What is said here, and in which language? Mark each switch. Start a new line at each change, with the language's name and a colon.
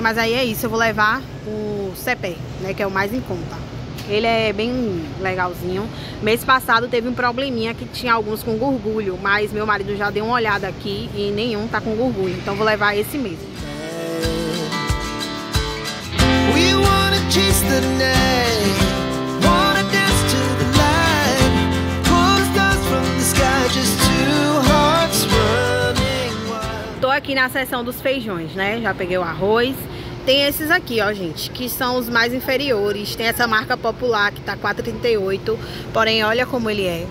Portuguese: Mas aí é isso, eu vou levar o Cepé, né? Que é o mais em conta. Ele é bem legalzinho. Mês passado teve um probleminha que tinha alguns com gorgulho, mas meu marido já deu uma olhada aqui e nenhum tá com gorgulho. Então vou levar esse mesmo.
English: We wanna chase the night, wanna dance to the light. Pulls us from the sky, just two hearts running wild.
Portuguese: Tô aqui na seção dos feijões, né? Já peguei o arroz. Tem esses aqui, ó, gente, que são os mais inferiores. Tem essa marca popular que tá R$4,38. Porém, olha como ele é.